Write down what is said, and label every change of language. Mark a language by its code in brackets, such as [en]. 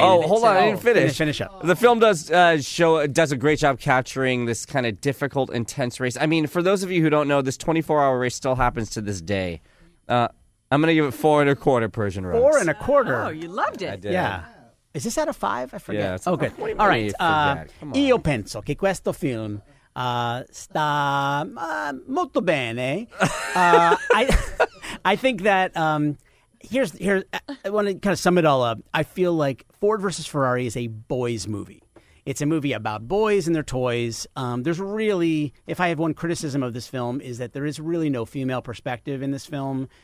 [en] Oh, hold on. I didn't finish. Finish up. The film does a great job capturing this kind of difficult, intense race. I mean, for those of you who don't know, this 24-hour race still happens to this day. I'm going to give it 4.25 Persian Rugs. 4.25. Oh, you loved it. I did. Yeah. Is this out of 5? I forget. Yeah, it's okay. All right. [it] Io penso che questo film sta molto bene. [en] I think that... Here's I want to kind of sum it all up. I feel like Ford versus Ferrari is a boys' movie. It's a movie about boys and their toys. There's really, if I have one criticism of this film, is that there is really no female perspective in this film.